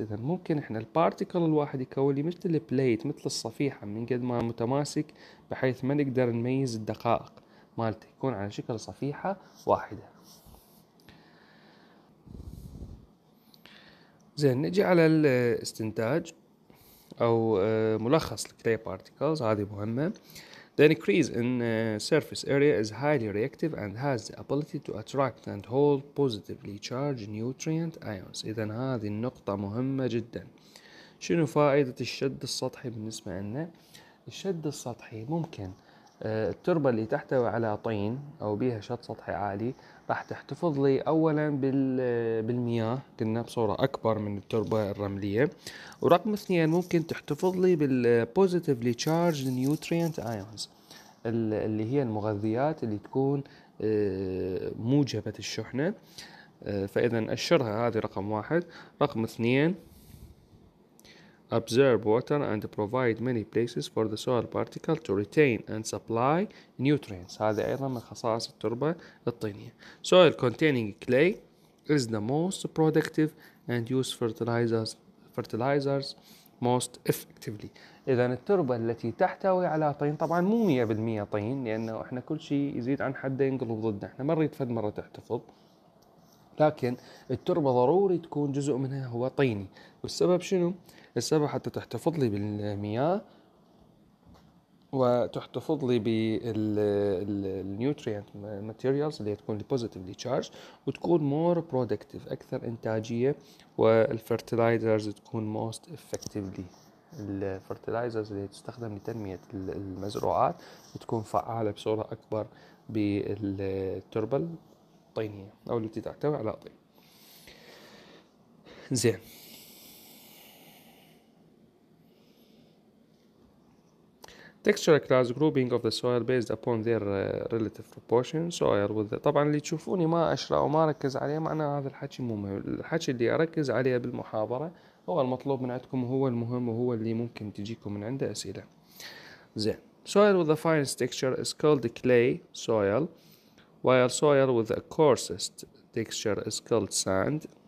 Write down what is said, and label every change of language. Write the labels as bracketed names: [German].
[Arabic] إذن ممكن إحنا البارتيكل الواحد يكون لي مثل البلايت, مثل الصفيحة, من قد ما متماسك بحيث ما نقدر نميز الدقائق مالته, يكون على شكل صفيحة واحدة. زين, نجي على الاستنتاج أو ملخص الكلي بارتيكلز, هذه مهمة. [English] The increase in surface area is highly reactive and has the ability to attract and hold positively charged nutrient ions. [Arabic] إذا هذه النقطة مهمة جدا. شنو فائدة الشد السطحي بالنسبة لنا؟ الشد السطحي ممكن التربة اللي تحتوي على طين أو بيها شد سطحي عالي راح تحتفظ لي أولا بالمياه, قلنا بصورة أكبر من التربة الرملية, ورقم اثنين ممكن تحتفظ لي بال [English] positively charged nutrient ions [Arabic] اللي هي المغذيات اللي تكون موجبة الشحنة. فإذا أشرها, هذه رقم واحد. رقم اثنين, [English] absorb water and provide many places for the soil particle to retain and supply nutrients. [Arabic] هذا أيضا من خصائص التربة الطينية. [English] Soil containing clay is the most productive and use fertilizers most effectively. [Arabic] إذا التربة التي تحتوي على طين, طبعا مو 100% طين, لأنه إحنا كل شيء يزيد عن حده ينقلب ضدنا, إحنا ما نريد فد مرة تحتفظ, لكن التربة ضروري تكون جزء منها هو طيني. والسبب شنو؟ السبب حتى تحتفظ لي بالمياه وتحتفظ لي بالنيوتريانت ماتيريالز اللي تكون بوزيتيفلي تشارج, وتكون مور برودكتيف, اكثر انتاجيه, والفيرتيلايزرز تكون موست افكتيفلي, الفيرتيلايزرز اللي تستخدم لتنميه المزروعات تكون فعاله بصوره اكبر بالتربه الطينيه او التي تحتوي على طين. [English] زين, texture class grouping of the soil based upon their relative proportion soil with the... [Arabic] طبعا اللي تشوفوني ما اشرح وما ركز عليه معناه هذا الحكي مو مهم, الحكي اللي اركز عليه بالمحاضره هو المطلوب من عندكم وهو المهم وهو اللي ممكن تجيكم من عنده اسئله. [English] زين, soil with the finest texture is called the clay soil, while soil with the coarsest texture is called sand.